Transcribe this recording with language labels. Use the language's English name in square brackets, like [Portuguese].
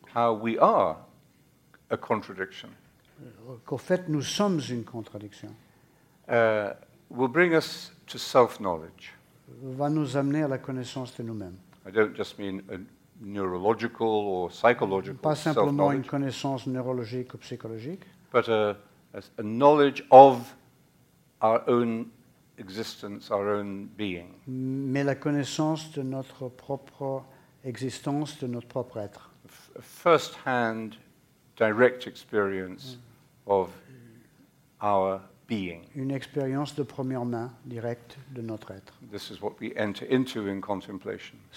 [English] How we are a contradiction. [French] Qu'en fait nous sommes une contradiction. [English] Will bring us to self-knowledge. [French] Va nous amener à la connaissance de nous-mêmes. [English] I don't just mean a neurological or psychological. [French] Pas simplement une connaissance neurologique ou psychologique. [English] But a knowledge of our own existence, our own being. [French] Mais la connaissance de notre propre existence, de notre propre être. [English] A first-hand, direct experience of our being. [French] Une expérience de première main directe de notre être. [English] This is what we enter into in contemplation.